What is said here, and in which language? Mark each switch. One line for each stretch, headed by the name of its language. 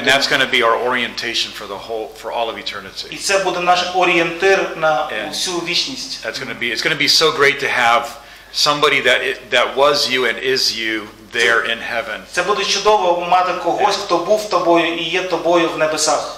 English: And that's going to be our orientation for the whole, for all of eternity.
Ukrainian: І це буде наш орієнтир на всю вічність.
English: That's going to be, it's going to be so great to have somebody that it, that was you and is you there in heaven.
Ukrainian: Це буде чудово мати когось, хто був тобою і є тобою в небесах.